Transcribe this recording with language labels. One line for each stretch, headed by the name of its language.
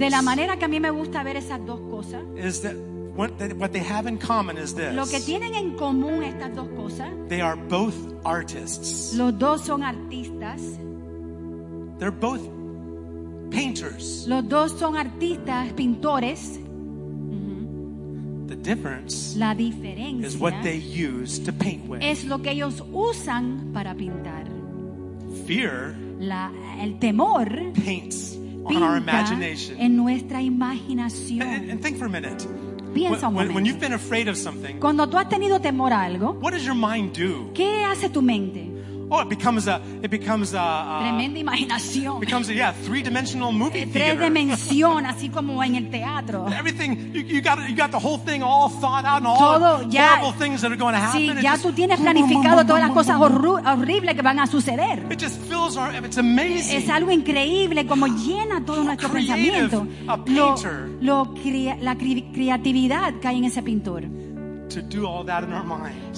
Spanish: De la manera que a mí me gusta ver esas dos cosas.
English: Is that what they have in common is this?
Spanish: Lo que tienen en común estas dos cosas.
English: They are both artists.
Spanish: Los dos son artistas.
English: They're both painters.
Spanish: Los dos son artistas, pintores.
English: The difference
Spanish: la diferencia
English: is what they use to paint with.
Spanish: Es lo que ellos usan para pintar.
English: Fear
Spanish: el temor
English: paints on our imagination.
Spanish: En nuestra imaginación.
English: And think for a minute.
Spanish: Piensa un momento.
English: When you've been afraid of something,
Spanish: cuando tú has tenido temor a algo,
English: what does your mind do?
Spanish: ¿Qué hace tu mente?
English: Oh, it becomes a
Spanish: tremenda imaginación.
English: Becomes a yeah, three-dimensional movie theater.
Spanish: Tres dimensión, así como en el teatro.
English: Everything you got the whole thing all thought out and all
Spanish: todo, ya,
English: horrible things that are going to happen.
Spanish: Sí, ya just, tú tienes planificado todas las cosas horribles que van a suceder.
English: It just fills our it's amazing.
Spanish: Es algo increíble como llena todo nuestro
English: creative,
Spanish: pensamiento.
English: A painter.
Spanish: La creatividad que hay en ese pintor.
English: To do all that in our minds.